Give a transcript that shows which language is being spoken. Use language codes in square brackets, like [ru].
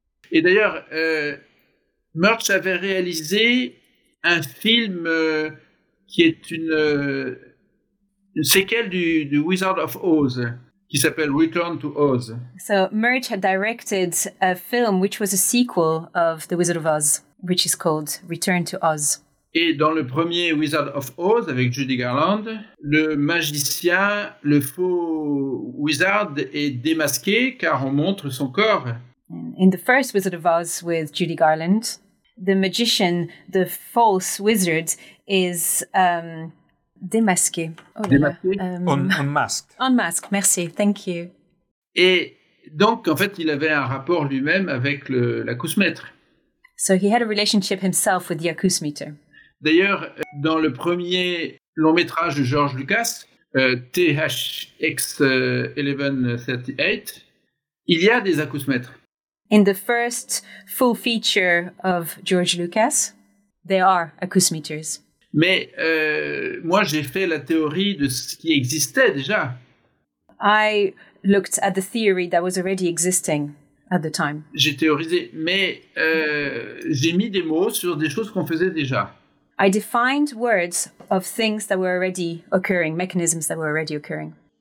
[fr] Et d'ailleurs, Murch avait réalisé un film qui est une séquelle du Wizard of Oz. Qui s'appelle Return to Oz. [en] So Murch had directed a film which was a sequel of The Wizard of Oz, which is called Return to Oz. [fr] Et dans le premier Wizard of Oz avec Judy Garland, le magicien, le faux wizard est démasqué car on montre son corps. [en] In the first Wizard of Oz with Judy Garland, the magician, the false wizard, is démasqué. Unmasked. Unmasked, merci, thank you. [fr] Et donc, en fait, il avait un rapport lui-même avec l'acousmètre. [en] So he had a relationship himself with the acousmeter. [fr] D'ailleurs, dans le premier long-métrage de George Lucas, THX 1138, il y a des acousmètres. [en] In the first full feature of George Lucas, there are acousmeters. [fr] Mais moi, j'ai fait la théorie de ce qui existait déjà. [en] I looked at the theory that was already existing at the time. [fr] J'ai théorisé, mais j'ai mis des mots sur des choses qu'on faisait déjà. [en] I defined words of things that were already occurring, mechanisms that were already occurring.